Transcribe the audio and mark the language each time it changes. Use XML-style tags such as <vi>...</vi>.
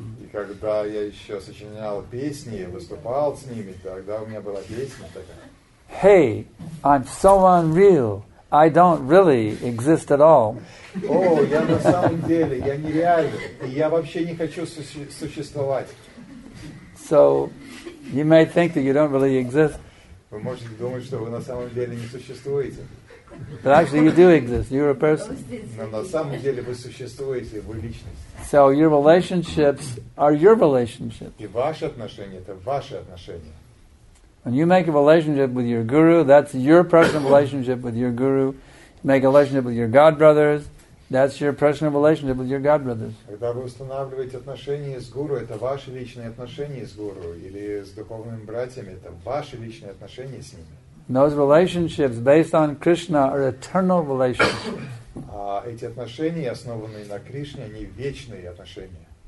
<ru>И когда я еще сочинял песни, выступал с ними, тогда у меня была песня такая.</ru> <en>Hey, I'm so unreal. I don't really exist at all.</en> <ru>Oh, я на самом деле, я нереален. И я вообще не хочу существовать.</ru> <en>So, you may think that you don't really exist.</en> <ru>Вы можете думать, что вы на самом деле не существуете.</ru> <en>But actually, you do exist. You're a person.</en> <ru>Но на самом деле вы существуете, вы личность.</ru> <en>So, your relationships are your relationships.</en> <ru>И ваши отношения – это ваши отношения.</ru> <en>When you make a relationship with your guru, that's your personal relationship with your guru. You make a relationship with your godbrothers, that's your personal relationship with your godbrothers.</en> <ru>Когда вы устанавливаете отношения с гуру, это ваши личные отношения с гуру, или с духовными братьями, это ваши личные отношения с ними.</ru> <en>And those relationships based on Krishna are eternal relationships.</en> <ru>А эти отношения, основанные на Кришне, они вечные отношения.</ru>